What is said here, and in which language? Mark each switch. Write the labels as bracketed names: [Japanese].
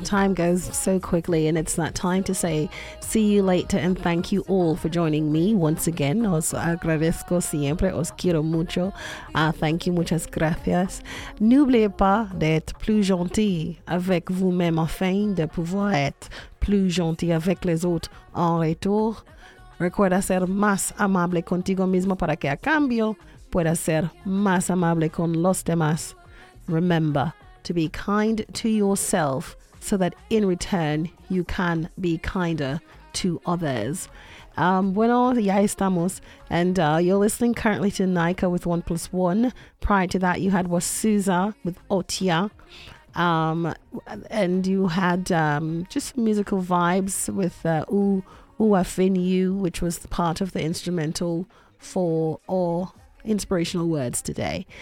[English] Time goes so quickly, and it's that time to say see you later and thank you all for joining me once again. [Spanish] Os agradezco siempre, os quiero mucho. [English] Thank you, [Spanish] muchas gracias. [French] N'oubliez pas d'être plus gentil avec vous-même afin de pouvoir être plus gentil avec les autres en retour. [Spanish] Recuerda ser más amable contigo mismo para que a cambio puedas ser más amable con los demás. [English] Remember to be kind to yourself so that in return you can be kinder to others. [Spanish] Bueno, ya estamos. [English] And you're listening currently to Naika with 1 plus 1. Prior to that, you had Wasuza with Otia. And you had just musical vibes with Uafinyu, which was part of the instrumental for all inspirational words today.